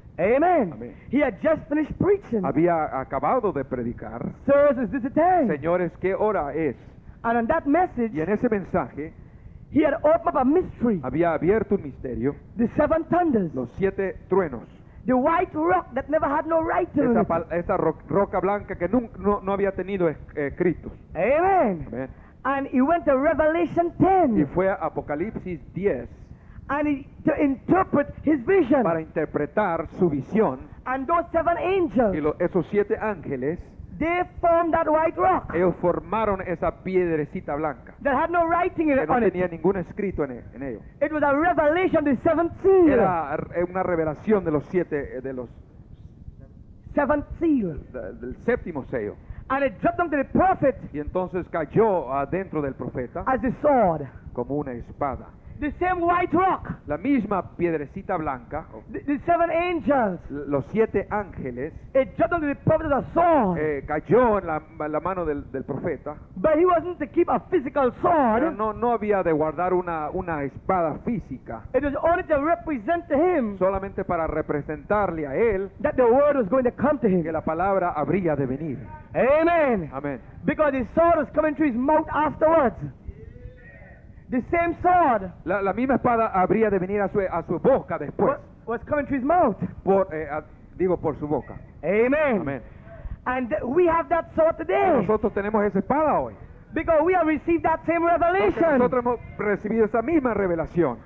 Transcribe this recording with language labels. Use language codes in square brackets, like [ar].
[en] Amen. He had just finished preaching. [es] Había acabado de predicar. [en] Sirs, is this the time? [es] Señores, ¿qué hora es? [en] And on that message, [es] y en ese mensaje, [en] he had opened up a mystery. [es] Había abierto un misterio. [en] The seven thunders. [es] Los siete truenos. [en] The white rock that never had no writing. [es] Esa roca blanca que no había tenido escritos. [en] Amen. [es] Amen. [en] And he went to Revelation 10. [es] Y fue a Apocalipsis 10. [en] And he, to interpret his vision. [es] Para interpretar su visión. [en] And those seven angels. [es] Y esos siete ángeles. [en] They formed that white rock. [es] Ellos formaron esa piedrecita blanca. [en] That had no writing in it. [es] Que no tenía ningún escrito en ello. [en] It was a revelation of the seventh seal. [es] Era una revelación de los siete de los [en] seventh seal. [es] Del séptimo sello. [en] And it dropped onto the prophet. [es] Y entonces cayó adentro del profeta. [en] As a sword. [es] Como una espada. [en] The same white rock. [es] La misma piedrecita blanca. [en] The seven angels. [es] Los siete ángeles. [en] It dropped onto the prophet's sword. [es] Cayó en la mano del profeta. [en] But he wasn't to keep a physical sword. [es] Pero no había de guardar una espada física. [en] It was only to represent to him. [es] Solamente para representarle a él. [en] That the word was going to come to him. [es] Que la palabra habría de venir. [en] Amen. [es] Amen. [en] Because the sword was coming to his mouth afterwards. The same sword. [es] La misma espada habría de venir a su boca después. [en] Was coming to his mouth. [es] Por su boca. [en] Amen. [es] Amen. [en] And we have that sword today. [es] Nosotros tenemos esa espada hoy. [en] Because we have received that same revelation. [es] Porque nosotros hemos recibido esa misma revelación.